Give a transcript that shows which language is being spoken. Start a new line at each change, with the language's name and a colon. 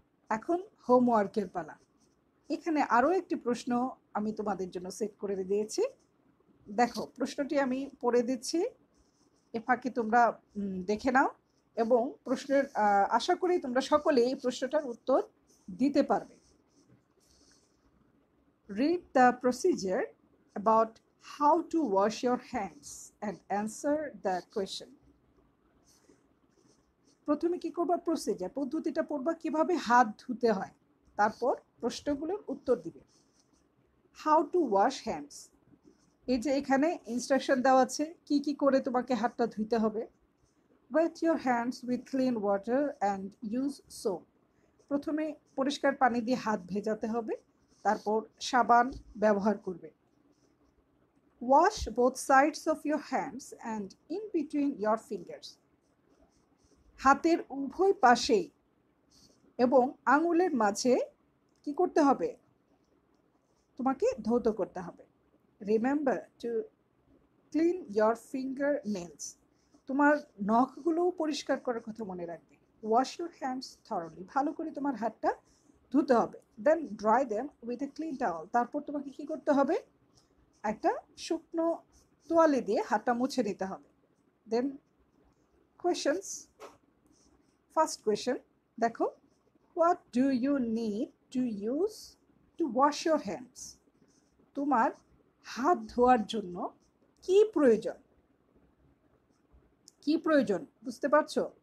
Bangla: এখন হোমওয়ার্কের পালা, এখানে আরও একটি প্রশ্ন আমি তোমাদের জন্য সেট করে দিয়েছি। দেখো প্রশ্নটি আমি পড়ে দিচ্ছি, এ ফাঁকে তোমরা দেখে নাও এবং প্রশ্নের আশা করি তোমরা সকলে এই প্রশ্নটার উত্তর দিতে পারবে।
English: Read the procedure about How to wash your hands and answer the question.
Bangla: প্রথমে কী করবা? প্রসিজার, পদ্ধতিটা পড়বা, কীভাবে হাত ধুতে হয়, তারপর প্রশ্নগুলোর উত্তর দিবে।
English: how to wash hands,
Bangla: এই যে এখানে ইনস্ট্রাকশন দেওয়া আছে কী কী করে তোমাকে হাতটা ধুতে হবে।
English: wet your hands with clean water and use soap,
Bangla: প্রথমে পরিষ্কার পানি দিয়ে হাত ভেজাতে হবে, তারপর সাবান ব্যবহার করবে।
English: Wash both sides of your hands and in between your fingers.
Bangla: হাতের উভয় পাশে এবং আঙুলের মাঝে কি করতে হবে? তোমাকে ধৌত করতে হবে।
English: Remember to clean your fingernails.
Bangla: তোমার নখগুলোও পরিষ্কার করার কথা মনে রাখবে।
English: Wash your hands thoroughly.
Bangla: ভালো করে তোমার হাতটা ধুতে হবে।
English: Then dry them with a clean towel.
Bangla: তারপর তোমাকে কি করতে হবে? একটা শুকনো তোয়ালে দিয়ে হাতটা মুছে নিতে হবে।
English: then questions, first question দেখো, what do you need to use to wash your hands,
Bangla: তোমার হাত ধোয়ার জন্য কী প্রয়োজন, কী প্রয়োজন বুঝতে পারছো?